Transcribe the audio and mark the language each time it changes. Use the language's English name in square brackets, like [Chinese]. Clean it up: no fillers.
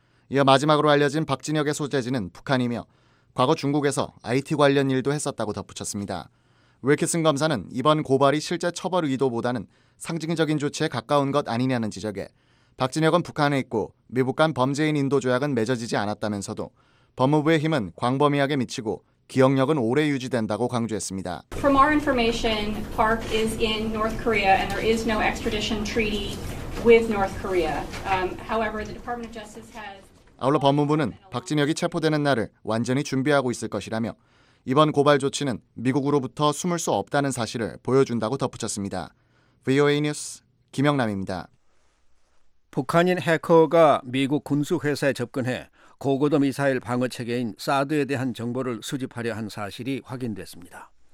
[Korean] 이어 마지막으로 알려진 박진혁의 소재지는 북한이며 과거 중국에서 IT 관련 일도 했었다고 덧붙였습니다. 윌킨슨 검사는 이번 고발이 실제 처벌 의도보다는 상징적인 조치에 가까운 것 아니냐는 지적에 박진혁은 북한에 있고 미국 간 범죄인 인도 조약은 맺어지지 않았다면서도 법무부의 힘은 광범위하게 미치고 기억력은 오래 유지된다고 강조했습니다. [English] From our information, Park is in North Korea and there is no extradition treaty with North Korea. However, the Department of Justice has [Korean] 아울러 법무부는 박진혁이 체포되는 날을 완전히 준비하고 있을 것이라며 이번 고발 조치는 미국으로부터 숨을 수 없다는 사실을 보여준다고 덧붙였습니다. VOA 뉴스 김영남입니다. 북한인 해커가 미국 군수회사에 접근해 고고도 미사일 방어체계인 사드에 대한 정보를 수집하려 한 사실이 확인됐습니다.